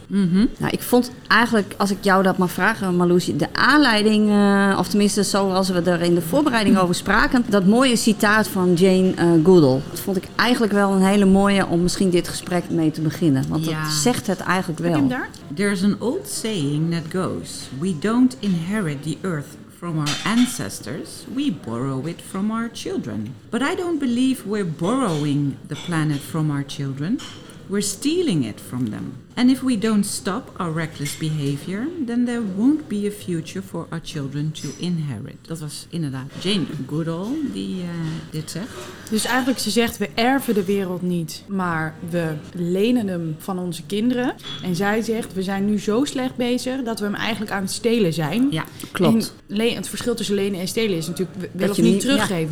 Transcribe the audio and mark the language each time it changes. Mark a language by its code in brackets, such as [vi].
[nl] Mm-hmm. Nou, ik vond eigenlijk, als ik jou dat mag vragen, Marloesje, de aanleiding, of tenminste zoals we er in de voorbereiding over spraken, dat mooie citaat van Jane Goodall. Dat vond ik eigenlijk wel een hele mooie om misschien dit gesprek mee te beginnen. Want ja, dat zegt het eigenlijk wel. [en] There's an old saying that goes, we don't inherit the earth from our ancestors, we borrow it from our children. But I don't believe we're borrowing the planet from our children. We're stealing it from them. And if we don't stop our reckless behavior, then there won't be a future for our children to inherit. [nl] Dat was inderdaad Jane Goodall die dit zegt. Dus eigenlijk, ze zegt, we erven de wereld niet, maar we lenen hem van onze kinderen. En zij zegt, we zijn nu zo slecht bezig dat we hem eigenlijk aan het stelen zijn. Ja, klopt. Het verschil tussen lenen en stelen is natuurlijk, we willen het niet teruggeven.